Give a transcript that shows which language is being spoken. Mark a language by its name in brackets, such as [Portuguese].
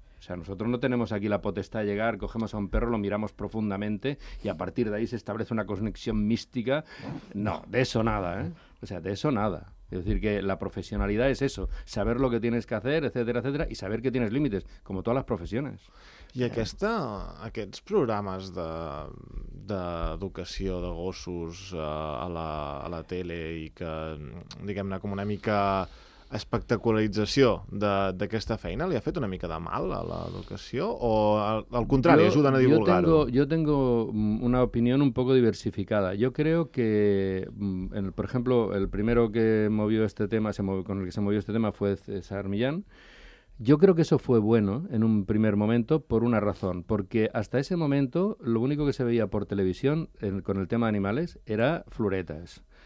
[Spanish] O sea, nosotros no tenemos aquí la potestad de llegar, cogemos a un perro, lo miramos profundamente y a partir de ahí se establece una conexión mística. No, de eso nada, ¿eh? O sea, de eso nada. Es decir, que la profesionalidad es eso, saber lo que tienes que hacer, etcétera, etcétera, y saber que tienes límites, como todas las profesiones. [Catalan] I aquests programes d'educació de gossos a la tele i que, diguem-ne, com una mica... espectacularització d'aquesta feina li ha fet una mica de mal a l'educació o al contrari, ajuden a divulgar-ho? [Spanish] Yo tengo una opinión un poco diversificada. Yo creo que, por ejemplo, el primero que movió este tema, con el que se movió este tema fue César Millán. Yo creo que eso fue bueno en un primer momento por una razón, porque hasta ese momento lo único que se veía por televisión con el tema de animales era fluretas.